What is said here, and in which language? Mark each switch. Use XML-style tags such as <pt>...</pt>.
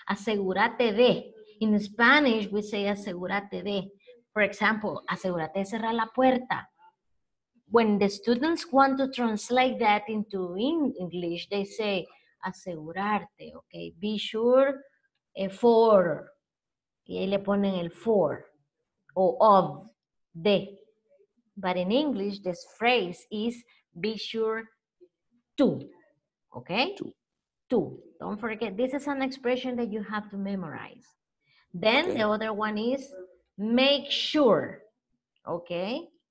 <es>Asegúrate de.</es> <en>In Spanish, we say asegúrate de. For example,</en> <es>asegúrate de cerrar la puerta.</es> <en>When the students want to translate that into English, they say asegurarte, okay? Be sure for.</en> <es>Y ahí le ponen el for o of, de.</es> <en>But in English, this phrase is be sure to, okay? To. Don't forget, this is an expression that you have to memorize. Then okay. The other one is make sure, okay?</en>